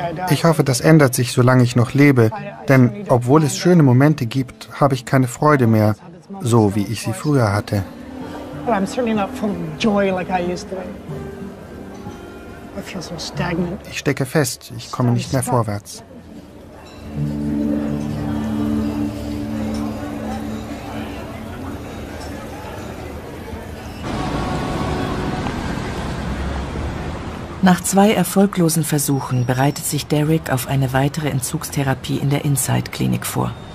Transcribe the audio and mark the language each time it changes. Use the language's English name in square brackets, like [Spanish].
[German] Ich hoffe, das ändert sich, solange ich noch lebe. Denn obwohl es schöne Momente gibt, habe ich keine Freude mehr, so wie ich sie früher hatte. [English] But I'm certainly not full of joy like I used to be. I feel so stagnant. [German] Ich stecke fest, ich komme nicht mehr vorwärts. Nach 2 erfolglosen Versuchen bereitet sich Derek auf eine weitere Entzugstherapie in der Inside-Klinik vor.